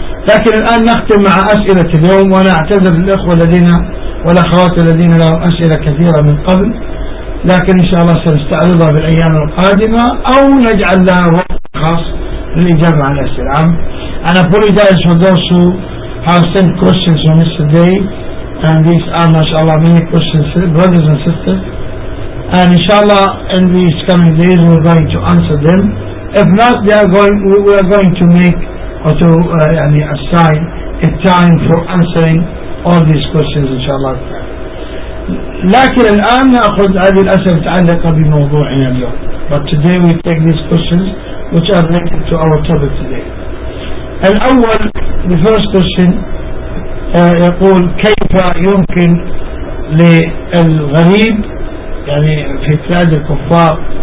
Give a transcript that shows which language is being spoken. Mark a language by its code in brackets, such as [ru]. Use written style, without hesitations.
[ar] لكن الآن نختم مع أسئلة اليوم، وأنا أعتذر للأخوة الذين والأخوات الذين لهم أسئلة كثيرة من قبل، لكن إن شاء الله سنستعرضها بالأيام القادمة أو نجعل لها وقت خاص للإجابة على الأسئلة. أنا [en] apologize for those who have sent questions on yesterday, and these are mashallah many questions, brothers and sisters, and inshallah in these coming days we're going to answer them. If not, we are going to make or to assign a time for answering all these questions inshallah. [ar] لكن الآن نأخذ هذه الأسئلة متعلقة بموضوعنا اليوم. [en] But today we take these questions which are related to our topic today. [ar] الأول, [en] the first question, [ar] يقول كيف يمكن للغريب يعني في بلاد الكفار